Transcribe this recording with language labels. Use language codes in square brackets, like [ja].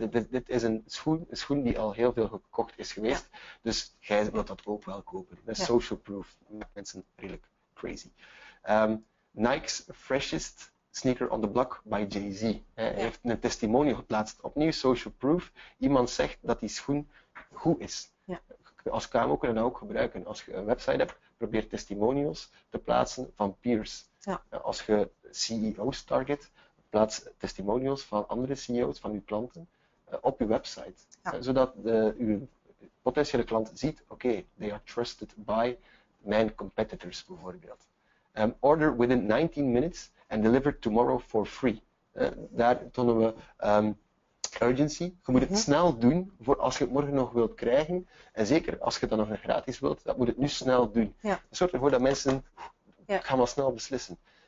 [nl] Dit is een schoen die al heel veel gekocht is geweest. Ja. Dus jij wilt dat ook wel kopen. Dat is social proof. Mensen redelijk crazy. [en] Nike's freshest sneaker on the block by Jay-Z. [nl] Heeft een testimonial geplaatst. Opnieuw social proof. Iemand zegt dat die schoen goed is. Ja. Als KMO kunnen we dat ook gebruiken. Als je een website hebt, probeer testimonials te plaatsen van peers. Ja. Als je CEO's target, plaats testimonials van andere CEO's, van je klanten, op je website. Ja. Zodat je potentiële klant ziet, oké, [en] they are trusted by [nl] mijn competitors bijvoorbeeld. [en] Order within 19 minutes and deliver tomorrow for free. [nl] Daar tonen we urgency. Je moet het snel doen voor als je het morgen nog wilt krijgen. En zeker als je het dan nog gratis wilt, dat moet het nu snel doen. Ja. Zorg ervoor dat mensen gaan wel snel beslissen.